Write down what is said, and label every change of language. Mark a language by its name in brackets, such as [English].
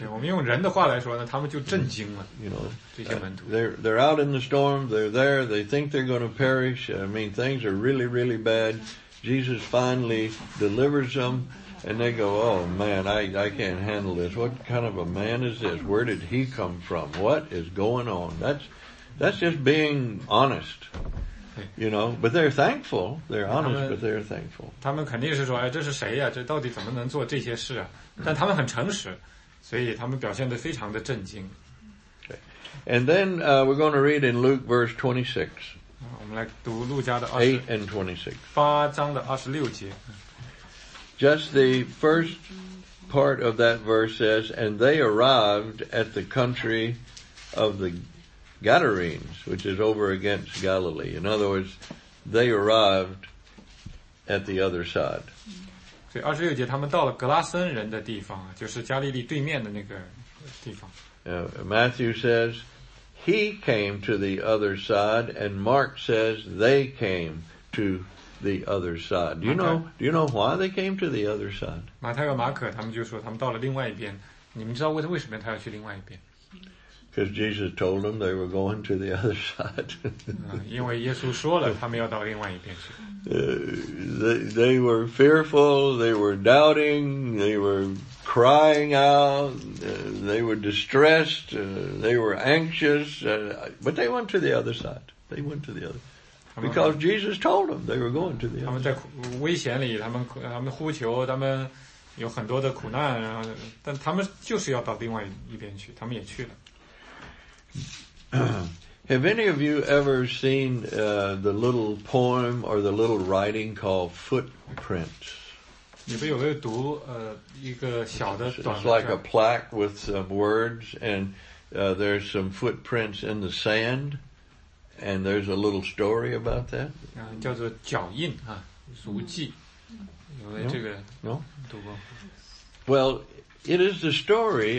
[Chinese] 我们用人的话来说呢，他们就震惊了。 [English] You know, [Chinese] 这些门徒。 [English] They're out in the storm. They're there. They think they're going to perish. I mean, things are really, really bad. Jesus finally delivers them. And they go, oh man, I can't handle this. What kind of a man is this? Where did he come from? What is going on? That's just being honest. You know, but they're thankful. They're honest, but they're thankful. [Chinese] 他们肯定是说，哎，这是谁呀？这到底怎么能做这些事啊？但他们很诚实，所以他们表现得非常的震惊。 [English] And then we're going to read in Luke verse 26. [Chinese] 我们来读路加的 [English] 8:26. [Chinese] 八章的26节。 [English] Just the first part of that verse says, and they arrived at the country of the Gadarenes, which is over against Galilee. In other words, they arrived at the other side. [Chinese] 所以26节他们到了格拉森人的地方，就是加利利对面的那个地方。 [English] Matthew says, he came to the other side, and Mark says, they came to the other side. Do you know why they came to the other side? [Chinese] 马太和马可他们就说他们到了另外一边。你们知道为什么他要去另外一边？ [English] Because Jesus told them they were going to the other side. [Chinese] 因为耶稣说了他们要到另外一边去。 [English] They were fearful, they were doubting, they were crying out, they were distressed, they were anxious, but they went to the other side. They went to the other side. Because Jesus told them they were going to the other side. [Chinese] 他们在危险里，他们呼求，他们有很多的苦难，然后，但他们就是要到另外一边去，他们也去了。 [English] Have any of you ever seen the little poem or the little writing called Footprints? [Chinese] 你们有没有读一个小的短的 [English] It's like a plaque with some words, and there's some footprints in the sand. And there's a little story about that. [Chinese] 叫做脚印啊，足迹。 [English] No. Well, it is the story.